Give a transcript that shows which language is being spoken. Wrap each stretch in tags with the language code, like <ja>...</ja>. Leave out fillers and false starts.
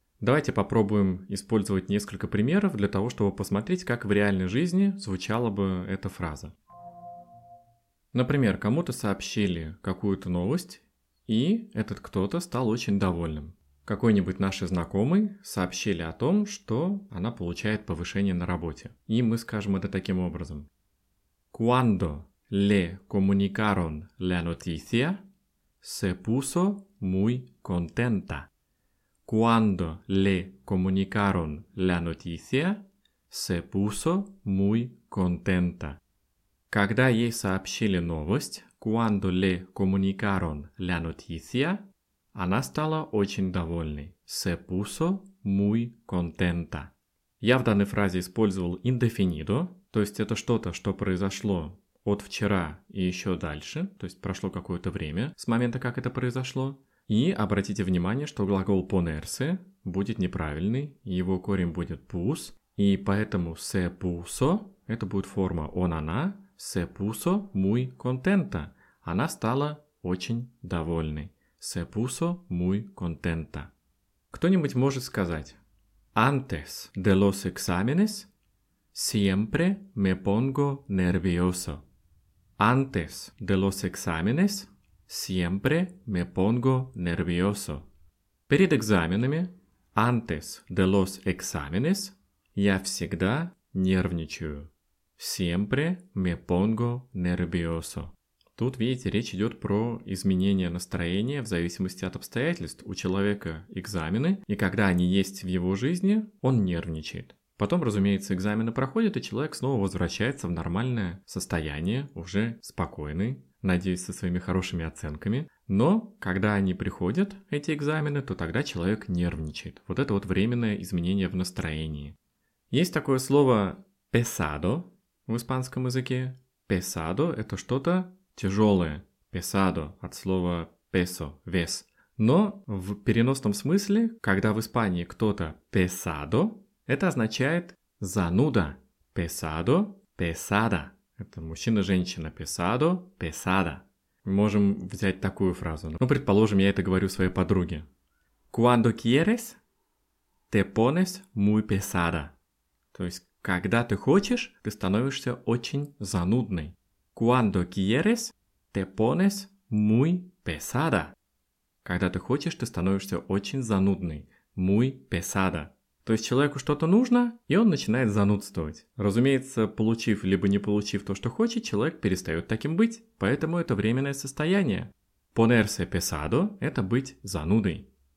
<ru>Давайте попробуем использовать несколько примеров для того, чтобы посмотреть, как в реальной жизни звучала бы эта фраза. Например, кому-то сообщили какую-то новость, и этот кто-то стал очень довольным. Какой-нибудь нашей знакомой сообщили о том, что она получает повышение на работе. И мы скажем это таким образом.</ru> <es>Cuando le comunicaron la noticia, se puso muy contenta. Cuando le comunicaron la noticia, se puso muy contenta.</es> <ru>Когда ей сообщили новость,</ru> <es>cuando le comunicaron la noticia,</es> <ru>она стала очень довольной.</ru> <es>Se puso muy contenta.</es> <ru>Я в данной фразе использовал indefinido, то есть это что-то, что произошло от вчера и еще дальше, то есть прошло какое-то время с момента, как это произошло. И обратите внимание, что глагол ponerse будет неправильный, его корень будет pus, и поэтому se puso, это будет форма он-она, se puso muy contenta. Она стала очень довольной.</ru> <es>Se puso muy contenta.</es> <ru>Кто-нибудь может сказать:</ru> <es>Antes de los exámenes siempre me pongo nervioso. Antes de los exámenes siempre me pongo nervioso.</es> <ru>Перед экзаменами,</ru> <es>antes de los exámenes,</es> <ru>я всегда нервничаю.</ru> <es>Siempre me pongo nervioso.</es> <ru>Тут, видите, речь идет про изменение настроения в зависимости от обстоятельств. У человека экзамены, и когда они есть в его жизни, он нервничает. Потом, разумеется, экзамены проходят, и человек снова возвращается в нормальное состояние, уже спокойный, надеюсь, со своими хорошими оценками. Но когда они приходят, эти экзамены, то тогда человек нервничает. Вот это вот временное изменение в настроении. Есть такое слово «pesado» в испанском языке. «Pesado» — это что-то тяжелое. «Pesado» от слова «peso» — «вес». Но в переносном смысле, когда в Испании кто-то «pesado», это означает зануда. Pesado, pesada. Это мужчина-женщина. Pesado, pesada. Можем взять такую фразу. Ну, предположим, я это говорю своей подруге.</ru> <es>Cuando quieres, te pones muy pesada.</es> <ru>То есть, Когда ты хочешь, ты становишься очень занудной.</ru> <es>Cuando quieres, te pones muy pesada.</es> <ru>Когда ты хочешь, ты становишься очень занудной.</ru> <es>Muy pesada.</es> <ru>То есть человеку что-то нужно, и он начинает занудствовать. Разумеется, получив либо не получив то, что хочет, человек перестает таким быть. Поэтому это временное состояние. Ponerse pesado – это быть занудой.</ru>